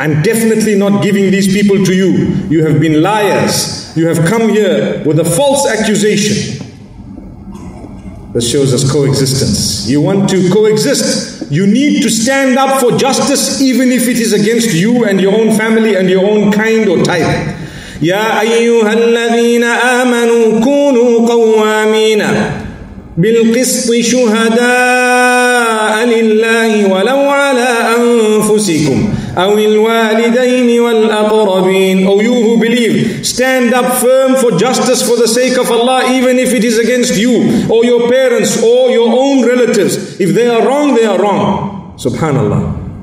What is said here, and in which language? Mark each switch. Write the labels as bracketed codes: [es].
[en] I'm definitely not giving these people to you. You have been liars. You have come here with a false accusation. This shows us coexistence. You want to coexist. You need to stand up for justice even if it is against you and your own family and your own kind or type. [ar] Ya ayyuha alladhina amanu kunu qawwamina بالقسط شهداء لله ولو على أنفسكم أو الوالدين والأقربين. [en] Oh, you who believe, stand up firm for justice for the sake of Allah, even if it is against you or your parents or your own relatives. If they are wrong, they are wrong. Subhanallah.